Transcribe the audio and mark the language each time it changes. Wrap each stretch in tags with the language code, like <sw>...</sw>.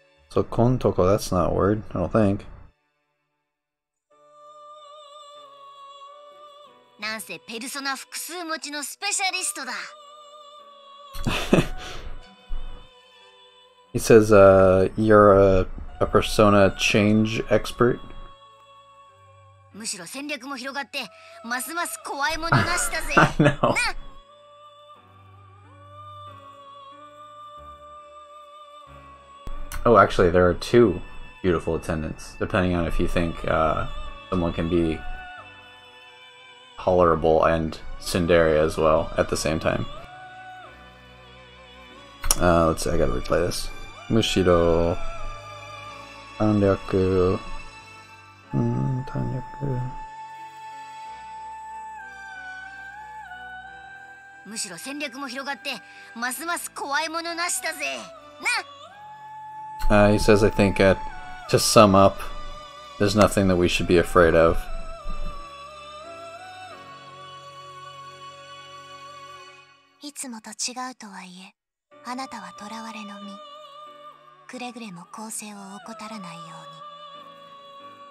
<ja>そこんとこ</ja> <en>That's not a word, I don't think.</en> <ja>なんせペルソナ複数持ちのスペシャリストだ。</ja> <en>He says, you're a persona change expert.</en> <ja>むしろ戦略も広がってますます怖いものなしだぜ。</ja> <en>I know. Oh, actually, there are two beautiful attendants, depending on if you think someone can be tolerable and Sundaria as well at the same time. Let's see, I gotta replay this.</en> <ja>Mushiro. Tanryaku. Tanryaku. むしろ戦略も広がってますます怖いものなしだぜな。</ja> <en>He says, I think, to sum up, there's nothing that we should be afraid of.</en> <ja>いつもと違うとはいえ、あなたは囚われの身。くれぐれも公正を怠らないように。</ja>